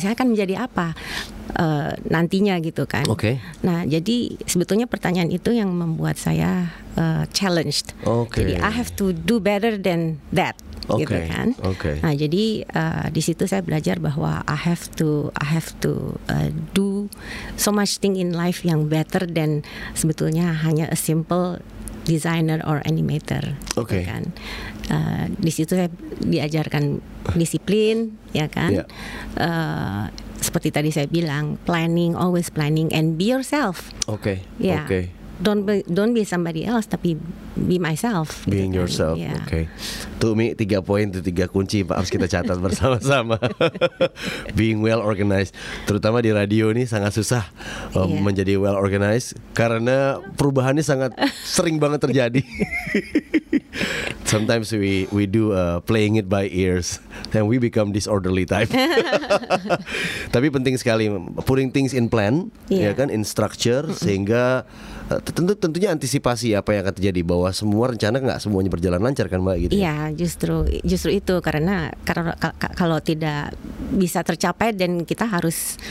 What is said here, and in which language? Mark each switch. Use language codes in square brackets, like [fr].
[id] Saya akan menjadi apa nantinya, gitu kan? [en] Oke. Okay. [id] Nah, jadi sebetulnya pertanyaan itu yang membuat saya challenged. Oke. [en] Okay. [id] Jadi [en] I have to do better than that. [id] okay. gitu kan. [en] Okay. [id] Nah, jadi di situ saya belajar bahwa [en] I have to do so much thing in life yang better than sebetulnya hanya a simple designer or animator. [id] Okay. Gitu kan. Di situ saya diajarkan disiplin, ya kan. [en] Yeah. [id] Seperti tadi saya bilang, [en] planning, always planning, and be yourself. Okay. Yeah. Okay. Don't be somebody else, [id] tapi [en] be myself. [id] Being gitu yourself. Kan. Yeah. Okay. Tuh Mi, 3 poin itu 3 kunci Pak, harus kita catat bersama-sama. Being [en] well organized, [id] terutama di radio ini sangat susah menjadi well organized karena perubahannya sangat sering banget terjadi. [en] Sometimes we do playing it by ears, then we become disorderly type. [id] Tapi penting sekali [en] putting things in plan, [id] ya kan, [en] in structure, [id] sehingga tentunya antisipasi apa yang akan terjadi, bahwa semua rencana nggak semuanya berjalan lancar kan Mbak gitu. Iya, justru itu karena kalau tidak bisa tercapai, dan kita harus